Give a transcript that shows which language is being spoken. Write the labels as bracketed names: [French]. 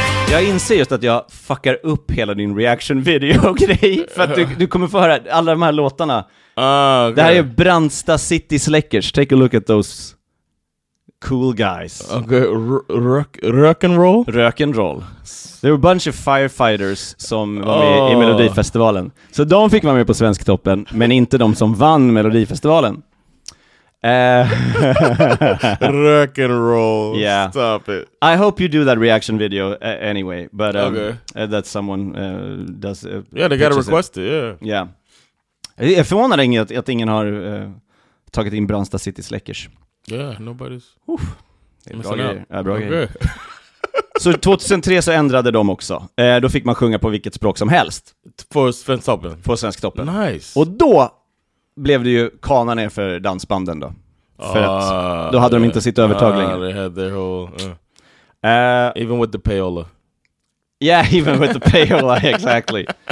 [Swedish] Jag inser just att jag fuckar upp hela din reaction-video-grej. För att du kommer få höra alla de här låtarna. [English] Okay. [Swedish] Det här är Brandsta City Slickers. [English] Take a look at those cool guys. Okay. Rock and roll? Rock and roll. There were a bunch of firefighters [Swedish] som var med i Melodifestivalen. Så de fick vara med på Svensktoppen, men inte de som vann Melodifestivalen. [English] Rock and roll. Yeah. Stop it. I hope you do that reaction video anyway. But okay. That someone does. Yeah, they got a request. It. Yeah. Yeah. [Swedish] Förvånar inget att ingen har tagit in Brandsta City Släckers. [English] Yeah, nobody's. [Swedish] Oof. Det är en bra grej. Så 2003 så ändrade de också. Då fick man sjunga på vilket språk som helst. På Svensktoppen. På Svensktoppen. [English] Nice. [Swedish] Och då blev det ju kana ner för dansbanden då. För att då hade de inte sitt övertag längre. [English] They had their whole, even with the payola. Yeah, even with the payola, exactly.